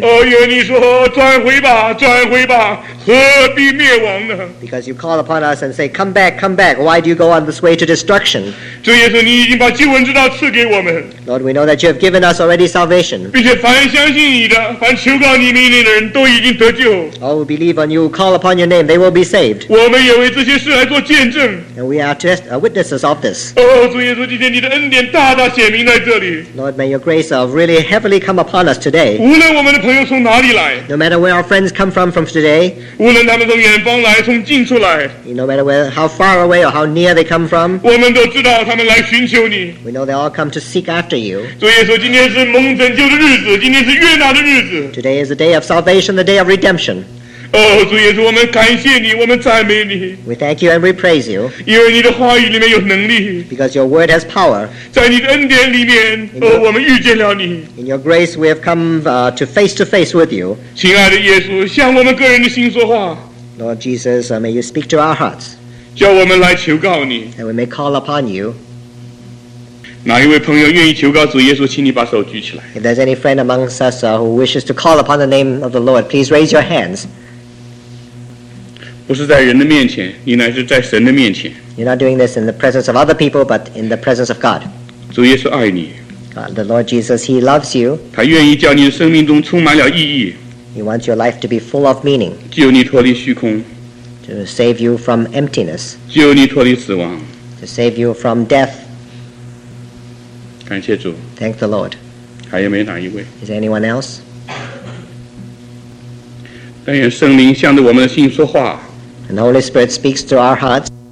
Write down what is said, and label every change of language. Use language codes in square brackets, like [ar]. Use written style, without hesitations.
[zh] 哦耶，你说, 转回吧, 转回吧, 何必灭亡呢? [en] Because you call upon us and say, come back, come back. Why do you go on this way to destruction? [zh] 主耶稣,你已经把救恩之道赐给我们。 [en] Lord, we know that you have given us already salvation. [zh] 并且凡相信你的, 凡求告你命令的人, 都已经得救。 [en] All who believe on you, call upon your name, they will be saved. [zh] 我们也为这些事来做见证。 [en] And we are just witnesses of this. [zh] 哦,主耶稣,今天你的恩典大大显明在这里。 [en] Lord, may your grace of really heavily come upon us today. No matter where our friends come from today, no matter where, how far away or how near they come from, we know they all come to seek after you. Today is the day of salvation, the day of redemption. [zh] 哦,主耶稣,我们感谢你,我们赞美你。 [en] We thank you and we praise you. [zh] 因为你的话语里面有能力。 [en] Because your word has power. [zh] 在你的恩典里面,我们遇见了你。 [en] In your grace, we have come to face with you. [zh] 亲爱的耶稣,向我们个人的心说话。 [en] Lord Jesus, may you speak to our hearts. [zh] 叫我们来求告你。 [en] And we may call upon you. [zh] 哪一位朋友愿意求告主耶稣,请你把手举起来。 [en] If there's any friend amongst us who wishes to call upon the name of the Lord, please raise your hands. [zh] 不是在人的面前,你乃是在神的面前。 [en] You're not doing this in the presence of other people, but in the presence of God. [zh] 主耶稣爱你。 [en] The Lord Jesus, He loves you. [zh] 他愿意叫你的生命中充满了意义。 [en] He wants your life to be full of meaning. [zh] 救你脱离虚空。 [en] To save you from emptiness. [zh] 救你脱离死亡。 [en] To save you from death. [zh] 感谢主。 [en] Thank the Lord. [zh] 还有没有哪一位? [en] Is there anyone else? [zh] 但愿圣灵向着我们的心说话。 [en] And the Holy Spirit speaks to our hearts.